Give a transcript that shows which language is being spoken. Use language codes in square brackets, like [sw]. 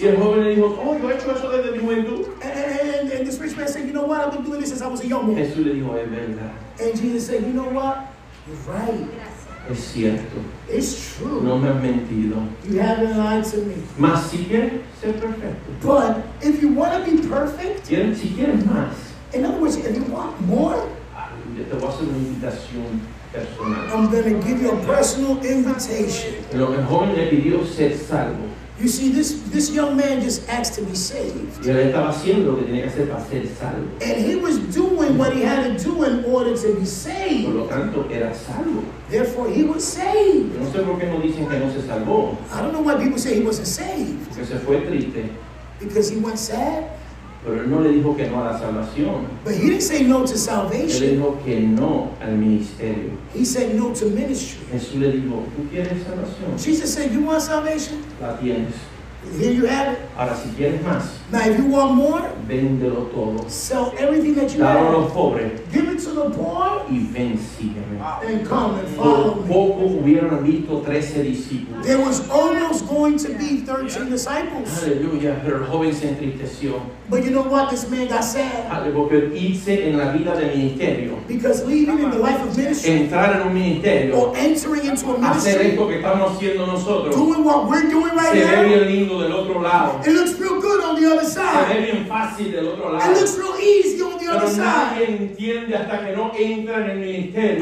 [es] Y el joven le dijo, oh, yo he hecho eso desde mi juventud. [en] And this rich man said, you know what? I've been doing this since I was a young man. [es] Jesús le dijo, es verdad. [en] And Jesus said, you know what? You're right. [es] Es cierto. [en] It's true. [es] No me has mentido. [en] You haven't lied to me. [es] Mas si quieres ser perfecto. [en] But if you want to be perfect, [es] si quieres más. [en] In other words, if you want more, [es] te voy a hacer una invitación personal. [en] I'm going to give you a personal invitation. [es] Lo mejor le pidió ser salvo. [en] You see, this young man just asked to be saved. [es] Y él estaba haciendo lo que tenía que hacer para ser salvo. [en] And he was doing what he had to do in order to be saved. [es] Por lo tanto, era salvo. [en] Therefore, he was saved. [es] No sé por qué no dicen que no se salvó. [en] I don't know why people say he wasn't saved. [es] Porque se fue triste. [en] Because he went sad. [es] Pero él no le dijo que no a la salvación. [en] But he didn't say no to salvation. [es] Él dijo que no al ministerio. [en] He said no to ministry. [es] Jesús le dijo, ¿tú quieres salvación? [en] Jesus said, you want salvation? [es] La tienes. [en] Here you have it. [es] Ahora, si quieres más, [en] now if you want more, [es] véndelo todo. [en] Sell everything that you [es] dale [en] have. [es] A los pobres. [en] Give it to the poor. [es] Y ven, sígueme. [en] And come and follow me. [es] Poco hubieron visto 13 discípulos. [en] There was almost going to be 13 yeah. disciples. [es] Hallelujah. Pero el joven se entristeció. [en] But you know what? This man got sad. [es] Porque irse en la vida de ministerio. [en] Because leaving in the life of ministry. [es] Entrar en un ministerio. [en] Or entering into a ministry. [es] Hacer esto que estamos haciendo nosotros. [en] Doing what we're doing right [es] se [en] now. [es] Del otro lado. [en] It looks real good on the other side. [es] Se ve bien fácil del otro lado. [en] It looks real easy on the [es] pero [en] other side. [es] Nadie entiende hasta que no entra en el ministerio.